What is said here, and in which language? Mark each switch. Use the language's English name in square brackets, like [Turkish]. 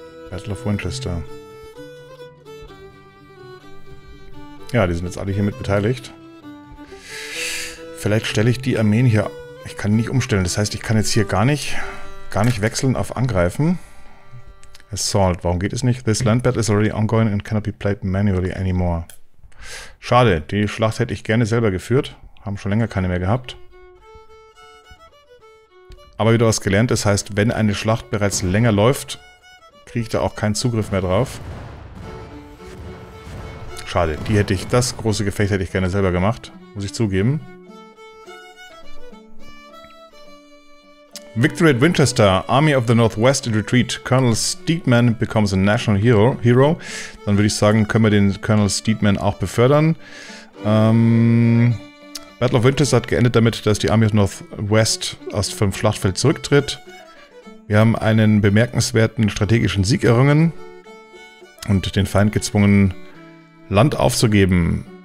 [English] Battle of Winchester. [German] Ja, die sind jetzt alle hier mit beteiligt. Vielleicht stelle ich die Armeen hier... Ich kann die nicht umstellen. Das heißt, ich kann jetzt hier gar nicht wechseln auf Angreifen. Assault. Warum geht es nicht? [English] This land battle is already ongoing and cannot be played manually anymore. [German] Schade. Die Schlacht hätte ich gerne selber geführt. Haben schon länger keine mehr gehabt. Aber wieder was gelernt. Das heißt, wenn eine Schlacht bereits länger läuft, kriege ich da auch keinen Zugriff mehr drauf. Schade. Die hätte ich, das große Gefecht hätte ich gerne selber gemacht. Muss ich zugeben. [English] Victory at Winchester, Army of the Northwest in Retreat. Colonel Steedman becomes a National Hero. [German] Dann würde ich sagen, können wir den Colonel Steedman auch befördern. Battle of Winchester hat geendet damit, dass die Army of the Northwest aus dem Schlachtfeld zurücktritt. Wir haben einen bemerkenswerten strategischen Sieg errungen und den Feind gezwungen, Land aufzugeben.